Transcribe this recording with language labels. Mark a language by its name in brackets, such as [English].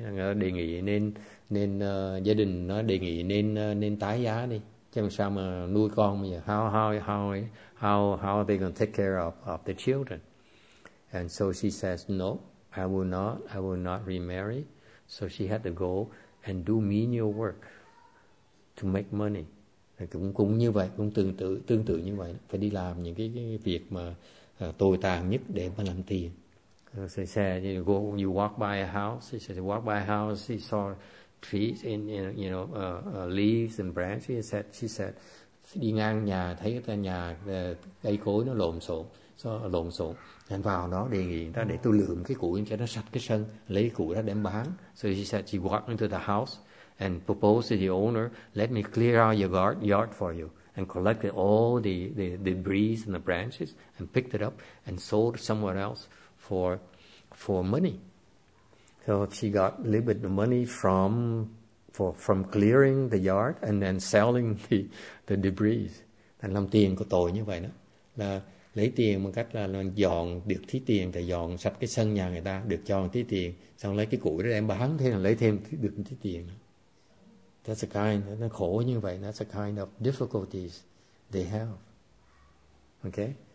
[Vietnamese] Nó đề nghị nên gia đình nó đề nghị nên tái giá đi. Chứ làm sao mà nuôi con bây giờ? [English] How are they going to take care of the children? And so she says, no, I will not remarry. So she had to go and do menial work to make money. [Vietnamese] Cũng như vậy, cũng tương tự như vậy. Phải đi làm những cái việc mà tồi tàn nhất để mà làm tiền. [English] So she said, you walk by a house. She said, walk by a house. She saw trees leaves and branches. She said, [Vietnamese] đi ngang nhà thấy cái nhà cây cối nó lộn xộn, anh vào đó đề nghị người ta để tôi lượm cái củi cho nó sạch cái sân, lấy cái củi đó đem bán. [English] So she said she walked into the house and proposed to the owner, let me clear out your yard for you and collected all the debris and the branches and picked it up and sold somewhere else for money. So she got a little bit of money from clearing the yard and then selling the debris. [Vietnamese] Thành làm tiền của tội như vậy đó. Là lấy tiền bằng cách là dọn được tí tiền, thì dọn sạch cái sân nhà người ta, được cho tí tiền. Xong lấy cái củi đó đem bán, thế là lấy thêm được tí tiền. [English] That's a kind, [Vietnamese] nó khổ như vậy. [English] That's a kind of difficulties they have. Okay?